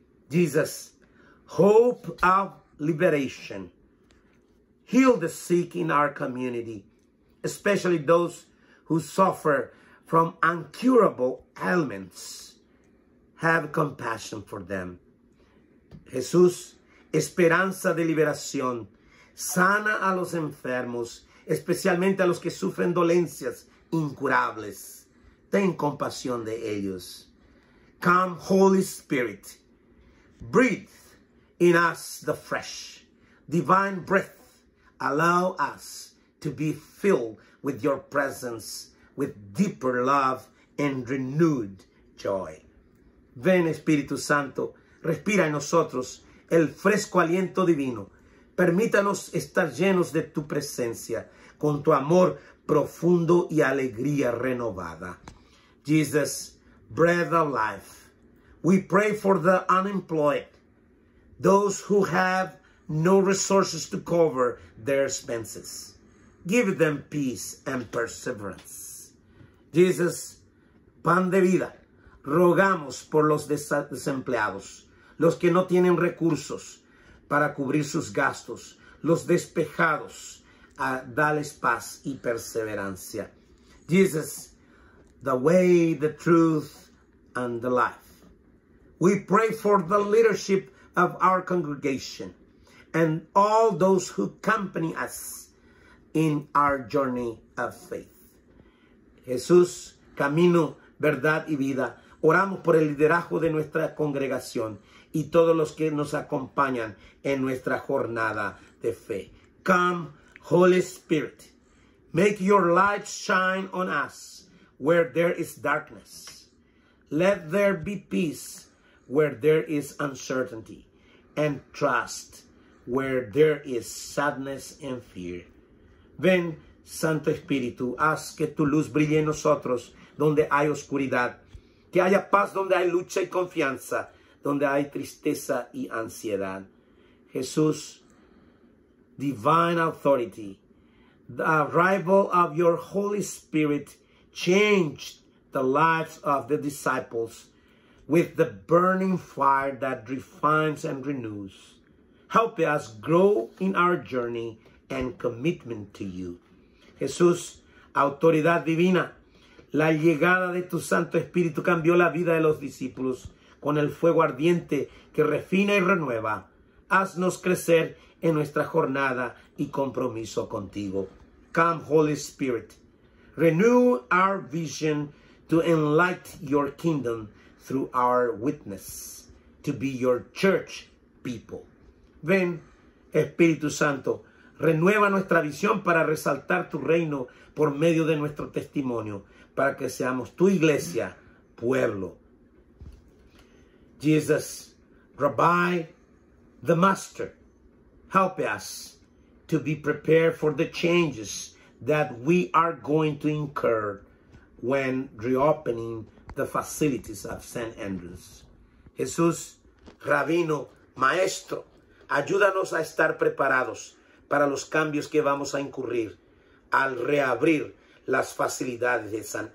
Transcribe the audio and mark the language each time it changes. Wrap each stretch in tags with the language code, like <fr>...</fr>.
<en>Jesus, hope of liberation. Heal the sick in our community, especially those who suffer from incurable ailments. Have compassion for them.</en> <es>Jesús, esperanza de liberación. Sana a los enfermos, especialmente a los que sufren dolencias incurables. Ten compasión de ellos.</es> <en>Come, Holy Spirit, breathe in us the fresh, divine breath. Allow us to be filled with your presence, with deeper love and renewed joy.</en> <es>Ven, Espíritu Santo, respira en nosotros el fresco aliento divino. Permítanos estar llenos de tu presencia, con tu amor profundo y alegría renovada.</es> <en>Jesus, breath of life, we pray for the unemployed, those who have no resources to cover their expenses. Give them peace and perseverance.</en> <es>Jesus, pan de vida, rogamos por los desempleados, los que no tienen recursos para cubrir sus gastos, los despejados, dales paz y perseverancia.</es> <en>Jesus, the way, the truth, and the life. We pray for the leadership of our congregation and all those who accompany us in our journey of faith.</en> <es>Jesús, camino, verdad y vida. Oramos por el liderazgo de nuestra congregación y todos los que nos acompañan en nuestra jornada de fe.</es> <en>Come, Holy Spirit, make your light shine on us where there is darkness. Let there be peace where there is uncertainty, and trust where there is sadness and fear.</en> <es>Ven, Santo Espíritu, haz que tu luz brille en nosotros donde hay oscuridad, que haya paz donde hay lucha y confianza, donde hay tristeza y ansiedad.</es> <en>Jesús, divine authority, the arrival of your Holy Spirit changed the lives of the disciples with the burning fire that refines and renews. Help us grow in our journey and commitment to you.</en> <es>Jesús, autoridad divina, la llegada de tu Santo Espíritu cambió la vida de los discípulos con el fuego ardiente que refina y renueva. Haznos crecer en nuestra jornada y compromiso contigo.</es> <en>Come, Holy Spirit, renew our vision to enlighten your kingdom through our witness, to be your church people.</en> <es>Ven, Espíritu Santo, renueva nuestra visión para resaltar tu reino por medio de nuestro testimonio, para que seamos tu iglesia, pueblo.</es> <en>Jesus, Rabbi, the Master, help us to be prepared for the changes that we are going to incur when reopening the facilities of St. Andrew's.</en> <es>Jesús, Rabino, Maestro, ayúdanos a estar preparados para los cambios que vamos a incurrir al reabrir las facilidades de St.</es>